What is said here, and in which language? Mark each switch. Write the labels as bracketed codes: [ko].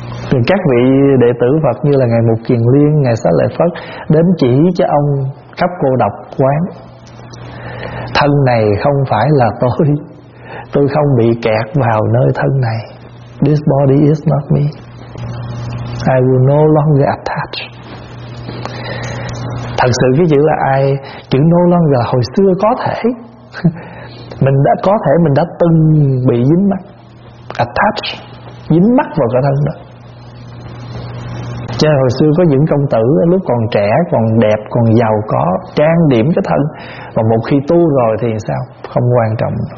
[vi] Thì các vị đệ tử Phật như là Ngài Mục Kiền Liên, Ngài Xá Lợi Phất đến chỉ cho ông khắp cô độc quán. Thân này không phải là tôi không bị kẹt vào nơi thân này. [en] This body is not me, I will no longer attach. [vi] Thật sự cái chữ là ai, chữ [en] no longer [vi] là hồi xưa có thể mình đã có thể, mình đã từng bị dính mắc, [en] attach, [vi] dính mắc vào cái thân đó. Cho nên hồi xưa có những công tử lúc còn trẻ, còn đẹp, còn giàu có, trang điểm cái thân, và một khi tu rồi thì sao? Không quan trọng.